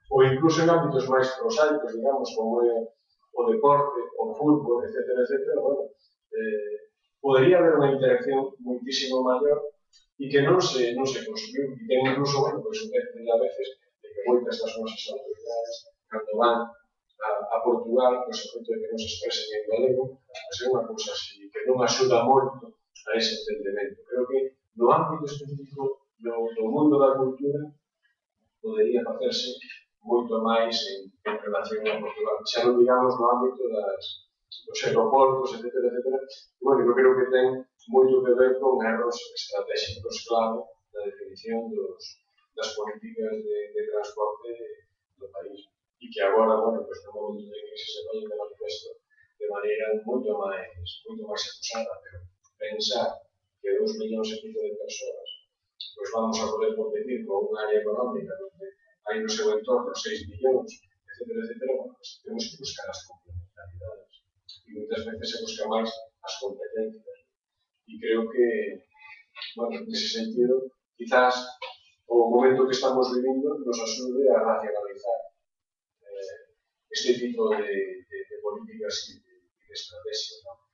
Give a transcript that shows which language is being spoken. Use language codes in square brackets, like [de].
[es] O incluso en ámbitos más prosaicos, digamos, [gl] como o deporte, [es] o fútbol, etcétera, etcétera, bueno, podría haber una interacción muchísimo mayor y que no se consumió. Y tengo incluso, bueno, pues a veces, de que vuelta estas nuevas autoridades, cuando van a Portugal, por supuesto, de que nos expresen en galego, pues es una cosa así, que no me ayuda mucho a ese entendimiento. [gl] Creo que no ámbito específico do mundo da cultura podría facerse moito máis en relación a Portugal. Xa non digamos no ámbito dos aeroportos, etc. Bueno, eu creo que ten moito que ver con erros estratégicos clave na definición das políticas de transporte do país. E que agora, bueno, pues, no momento de crisis se vai de manifesto de maneira moito máis acusada, pero pensar que 2 millóns e pico de persoas [es] pues vamos a poder competir con un área económica donde hay [gl] no seu entorno 6 millóns, etc., bueno, pues, temos que buscar as complementaridades. E moitas veces se busca máis as competencias. [es] E creo que, bueno, en ese sentido, quizás [gl] o momento que estamos vivindo nos ajude [es] a racionalizar este tipo de políticas y de estrategias, ¿no?